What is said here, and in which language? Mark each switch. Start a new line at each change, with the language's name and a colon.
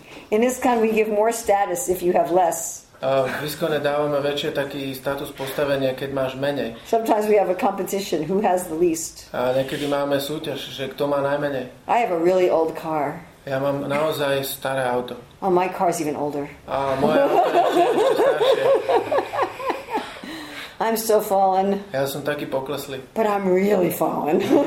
English: In ISKCON we give more status if you have less.
Slovak: V ISKCONe dávame väčšie taký status postavenia, keď máš menej.
English: Sometimes we have a competition who has the least.
Slovak: A niekedy máme súťaž, že kto má najmenej.
English: I have a really old car.
Slovak: Ja mám naozaj staré auto.
English: Oh, my car is even older.
Slovak: A moje auto je ešte staršie.
English: I'm still fallen.
Slovak: Ja som taký pokleslý.
English: But I'm really fallen.